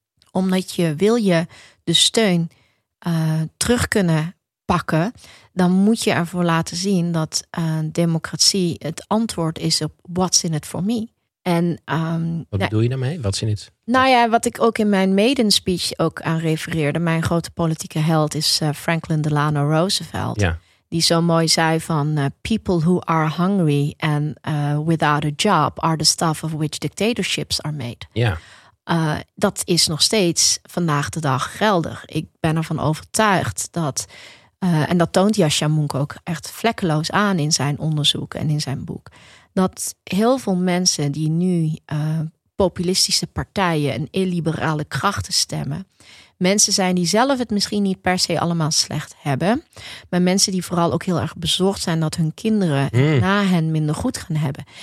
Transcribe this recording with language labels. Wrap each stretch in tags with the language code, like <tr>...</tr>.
<nl>Omdat je wil je de steun terug kunnen pakken, dan moet je ervoor laten zien dat democratie het antwoord is op</nl> <en>what's in it for me.</en> <nl>En bedoel je daarmee? Wat zin het? Nou ja, wat ik ook in mijn maiden speech ook aan refereerde. Mijn grote politieke held is Franklin Delano Roosevelt. Ja. Die zo mooi zei van</nl> <en>people who are hungry and without a job are the stuff of which dictatorships are made.</en> <nl>Ja. Dat is nog steeds vandaag de dag geldig. Ik ben ervan overtuigd dat, en dat toont Yascha Mounk ook echt vlekkeloos aan in zijn onderzoek en in zijn boek, dat heel veel mensen die nu populistische partijen en illiberale krachten stemmen, mensen zijn die zelf het misschien niet per se allemaal slecht hebben, maar mensen die vooral ook heel erg bezorgd zijn dat hun kinderen na hen minder goed gaan hebben.</nl>